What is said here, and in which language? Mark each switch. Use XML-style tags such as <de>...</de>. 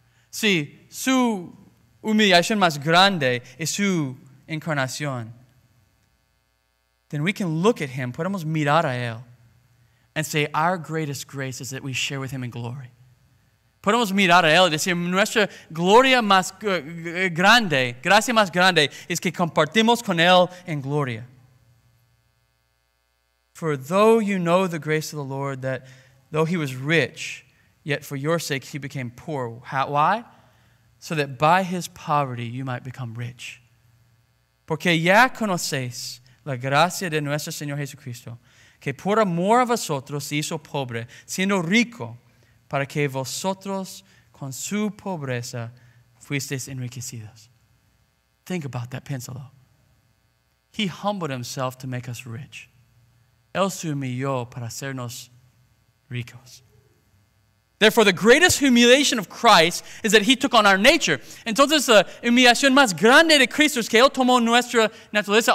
<es>Si su humillación más grande es su incarnación.</es> <en>Then we can look at him,</en> <es>podemos mirar a él.</es> <en>And say, our greatest grace is that we share with him in glory.</en> <es>Podemos mirar a él y decir, nuestra gloria más grande, gracia más grande, es que compartimos con él en gloria.</es> <en>For though you know the grace of the Lord, that though he was rich, yet for your sake he became poor. Why? So that by his poverty you might become rich.</en> <es>Porque ya conocéis la gracia de nuestro Señor Jesucristo, que por amor a vosotros se hizo pobre, siendo rico, para que vosotros con su pobreza fuisteis enriquecidos.</es> <en>Think about that,</en> <es>piénsalo.</es> <en>He humbled himself to make us rich.</en> <es>Él se humilló para hacernos ricos.</es> <en>Therefore, the greatest humiliation of Christ is that he took on our nature.</en> <es>Entonces, la humillación más grande de Cristo es que él tomó nuestra naturaleza.</es>